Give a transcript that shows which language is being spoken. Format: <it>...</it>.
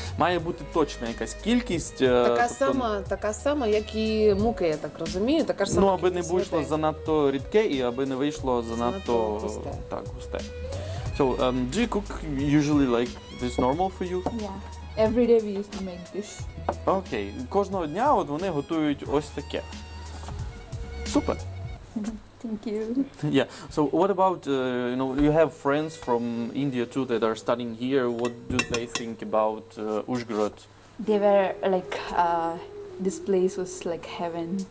<uk>Має бути точна якась кількість. Така тобто... така сама, як і муки, я так розумію. Така ж сама. Ну, аби не вийшло занадто рідке і аби не вийшло занадто густе. Так, густе.</uk> <en>So, do you cook usually like this normal for you? Yeah. Every day we used to make this. Окей. Okay.</en> <uk>Кожного дня от вони готують ось таке. Супер.</uk> <en>Thank you. Yeah. So what about you know, you have friends from India too that are studying here. What do they think about Ужгород? They were like this place was like heaven.</en>